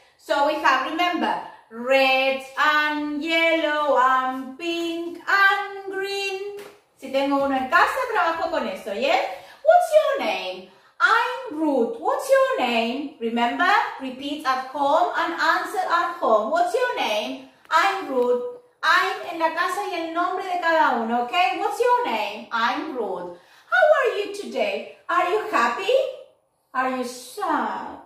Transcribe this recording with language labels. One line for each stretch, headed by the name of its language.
English: So we have, remember, red and yellow and pink and green.
Spanish: Si tengo uno en casa, trabajo con eso, yes?
English: What's your name? I'm Ruth. What's your name? Remember, repeat at home and answer at home. What's your name? I'm Ruth. I'm
Spanish: en la casa y el nombre de cada uno,
English: okay? What's your name? I'm Ruth. How are you today? Are you happy? Are you sad?